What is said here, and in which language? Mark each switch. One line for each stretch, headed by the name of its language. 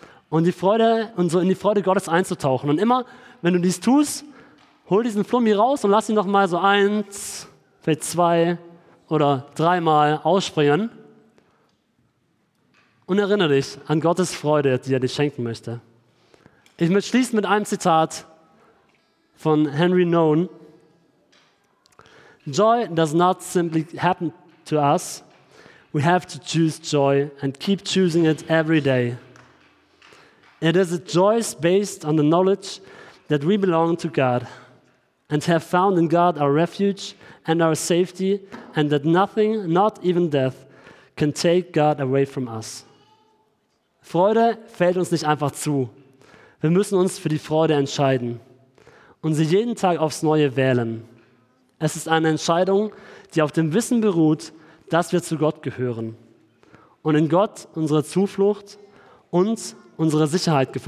German: Und die Freude und so in die Freude Gottes einzutauchen. Und immer, wenn du dies tust, hol diesen Flummi raus und lass ihn noch mal so eins, vielleicht zwei oder dreimal ausspringen. Und erinnere dich an Gottes Freude, die er dir schenken möchte. Ich möchte schließen mit einem Zitat von Henry Nouwen.
English: Joy does not simply happen to us. We have to choose joy and keep choosing it every day. It is a joy based on the knowledge that we belong to God and have found in God our refuge and our safety and that nothing, not even death, can take God away from us.
German: Freude fällt uns nicht einfach zu. Wir müssen uns für die Freude entscheiden und sie jeden Tag aufs Neue wählen. Es ist eine Entscheidung, die auf dem Wissen beruht, dass wir zu Gott gehören und in Gott unsere Zuflucht und unsere Sicherheit gefunden.